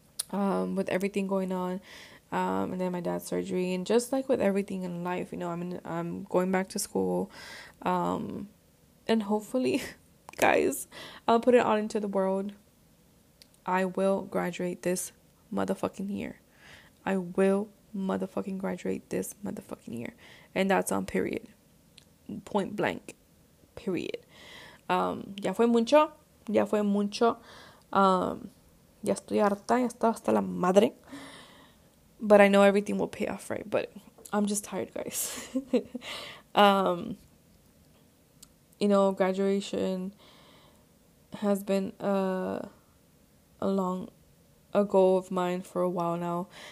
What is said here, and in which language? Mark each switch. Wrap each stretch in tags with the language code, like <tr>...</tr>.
<en>With everything going on, and then my dad's surgery, and just like with everything in life, you know, I'm going back to school, and hopefully, guys, I'll put it out into the world, I will graduate this motherfucking year. I will motherfucking graduate this motherfucking year, and that's on period, point blank, period.</en> <es>Ya fue mucho. Ya estoy harta, ya estoy hasta la madre.</es> <en>But I know everything will pay off, right? But I'm just tired, guys. You know, graduation has been a goal of mine for a while now.</en>